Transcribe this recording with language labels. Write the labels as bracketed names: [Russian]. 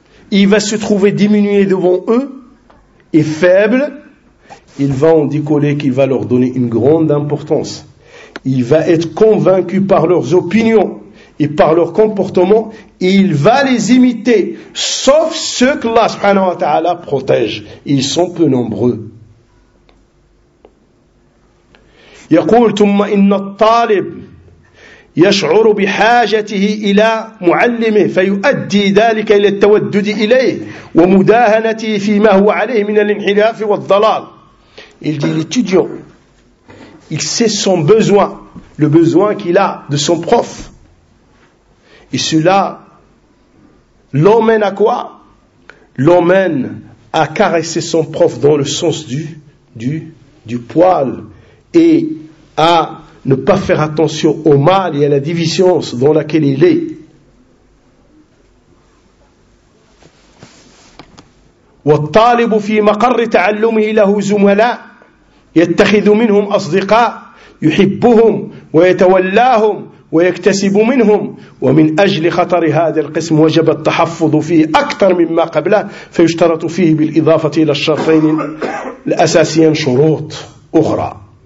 [French] il va se trouver diminué devant eux et faible, ils vont décoller qu'il va leur donner une grande importance. Il va être convaincu par leurs opinions et par leur comportement, et il va les imiter, sauf ceux que Allah subhanahu wa ta'ala protège. Ils sont peu nombreux. [Arabic] يقول ثم إن الطالب يشعر بحاجته إلى معلمه فيؤدي ذلك إلى التودد إليه ومداهنته فيما هو عليه من الانحراف والضلال. [French] Il dit l'étudiant, il sait son besoin, le besoin qu'il a de son prof. Et cela l'emmène à quoi? L'emmène à caresser son prof dans le sens du poil et à ne pas faire attention au mal et à la division dans laquelle il est. [Arabic] والطالب في مقر تعلمه له زملاء يتخذ منهم أصدقاء يحبهم ويتولاهم ويكتسب منهم ومن أجل خطر هذا القسم وجب التحفظ فيه أكثر مما قبله فيشترط فيه بالإضافة إلى الشرطين الأساسيين شروط أخرى.